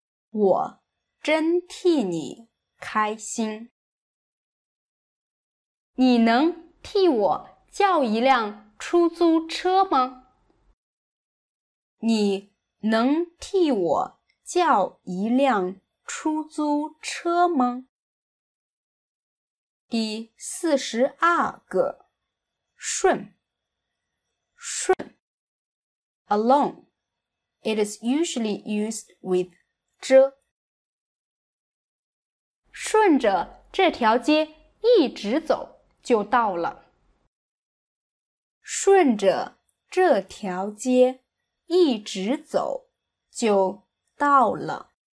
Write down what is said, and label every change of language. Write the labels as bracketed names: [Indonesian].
[Chinese] 我真替你开心。你能替我叫一辆出租车吗？你能替我叫一辆出租车吗？第四十二个，顺，顺 [English] ，alone， it is usually used with 遮。 [Chinese] 顺着这条街一直走就到了。顺着这条街一直走就到了。